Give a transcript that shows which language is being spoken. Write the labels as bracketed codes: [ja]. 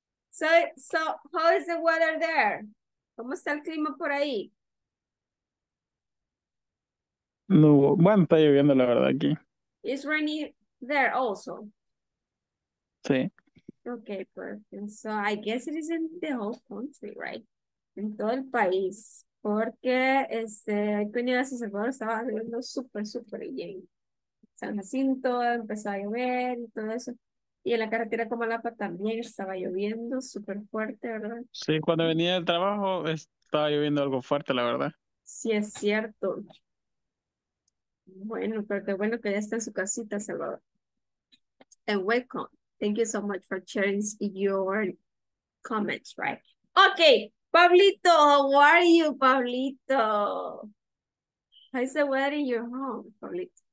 [en] So how is the weather there? ¿Cómo está el clima por ahí? [es] No, bueno, está lloviendo la verdad aquí. [en] It's raining there also. [es] Sí. [en] Okay, perfect. So I guess it is in the whole country, right? [es] En todo el país. Porque venía a Salvador, estaba lloviendo súper, súper bien. San Jacinto empezó a llover y todo eso. Y en la carretera Comalapa también estaba lloviendo súper fuerte, ¿verdad? Sí, cuando venía del trabajo estaba lloviendo algo fuerte, la verdad. Sí, es cierto. Bueno, pero qué bueno que ya está en su casita, Salvador. [en] And welcome. Thank you so much for sharing your comments, right? Okay, Pablito, how are you, Pablito? How is the weather in your home, Pablito?